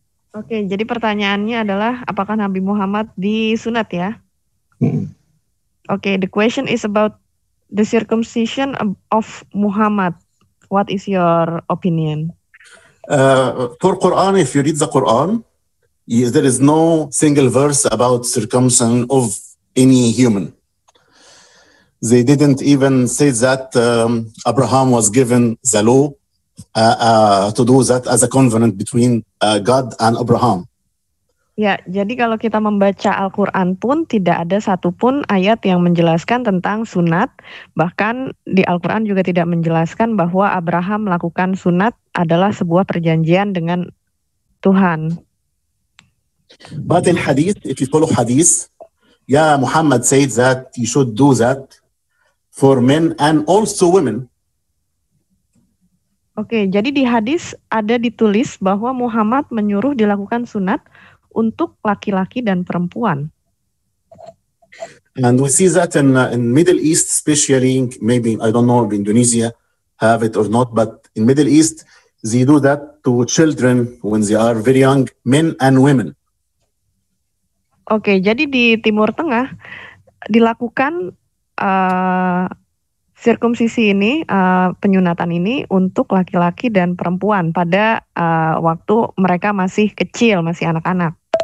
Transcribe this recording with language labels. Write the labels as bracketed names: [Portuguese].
[Indonesian] Oke, jadi pertanyaannya adalah apakah Nabi Muhammad disunat ya? [English] Oke, the question is about the circumcision of Muhammad. What is your opinion? For Quran, if you read the Quran, there is no single verse about circumcision of any human. They didn't even say that Abraham was given the law to do that as a covenant between God and Abraham. [Indonesian] Ya, jadi kalau kita membaca Al-Quran pun tidak ada satupun ayat yang menjelaskan tentang sunat. Bahkan di Al-Quran juga tidak menjelaskan bahwa Abraham melakukan sunat adalah sebuah perjanjian dengan Tuhan. [English] But in hadith, if you follow hadith, Muhammad said that you should do that for men and also women. [Indonesian] Oke, jadi di hadis ada ditulis bahwa Muhammad menyuruh dilakukan sunat untuk laki-laki dan perempuan. [English] And we see that in Middle East, especially maybe I don't know if Indonesia have it or not, but in Middle East they do that to children when they are very young, men and women. [Indonesian] Oke, jadi di Timur Tengah dilakukan sirkumsisi ini, penyunatan ini untuk laki-laki dan perempuan pada waktu mereka masih kecil, masih anak-anak.